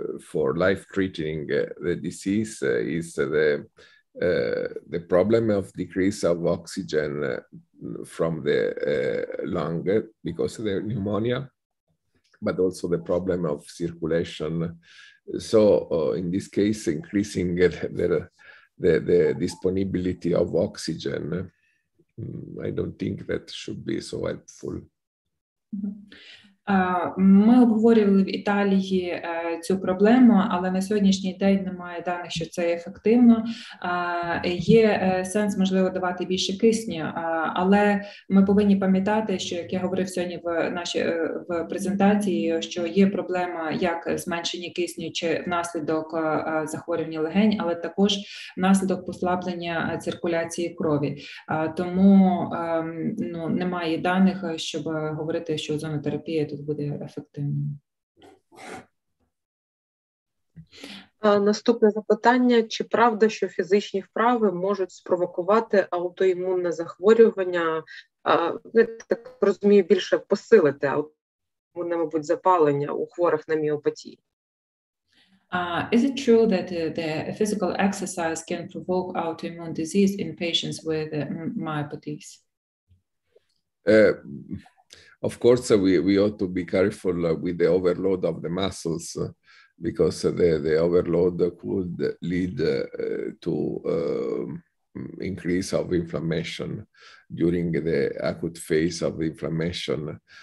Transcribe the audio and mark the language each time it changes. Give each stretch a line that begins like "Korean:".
English: for life treating the disease is the problem of decrease of oxygen from the lung because of the pneumonia, but also the problem of circulation. So in this case, increasing the disponibility of oxygen, I don't think that should be so helpful.
Ukrainian: Ми обговорювали в Італії цю проблему, але на сьогоднішній день немає даних, що це ефективно. Є сенс, можливо, давати більше кисню, але ми повинні пам'ятати, що, як я говорив сьогодні в презентації, що є проблема як зменшення кисню чи внаслідок захворювання легень, але також внаслідок послаблення циркуляції крові. Тому немає даних, щоб говорити, що озонотерапія тут буде ефективним. Наступне запитання. Чи правда, що фізичні вправи можуть спровокувати аутоімунне захворювання? Я так розумію, більше посилити аутоімунне, мабуть, запалення у хворих на міопатії?
English: Is it true that the physical exercise can provoke autoimmune disease in patients with myopathies? Of course, we ought to be careful with the overload of the muscles, because the overload could lead to increase of inflammation during the acute phase of inflammation.